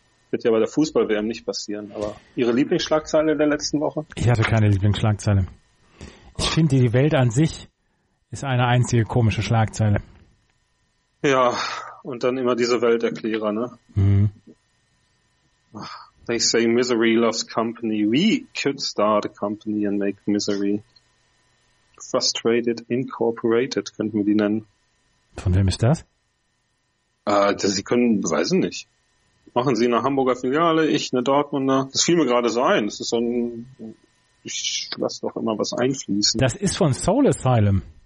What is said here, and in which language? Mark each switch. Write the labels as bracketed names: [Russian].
[German] Wird ja bei der Fußball-WM nicht passieren. Aber Ihre Lieblingsschlagzeile der letzten Woche? Ich hatte keine Lieblingsschlagzeile. Ich finde, die Welt an sich ist eine einzige komische Schlagzeile. Ja, und dann immer diese Welterklärer, ne? Mhm. [English] They say misery loves company. We could start a company and make misery. [German] Frustrated Incorporated, könnten wir die nennen. Von wem ist das? Sie können, weiß ich nicht. Machen Sie eine Hamburger Filiale, ich eine Dortmunder. Das fiel mir gerade so ein. Das ist so ein, ich lass doch immer was einfließen. Das ist von Soul Asylum.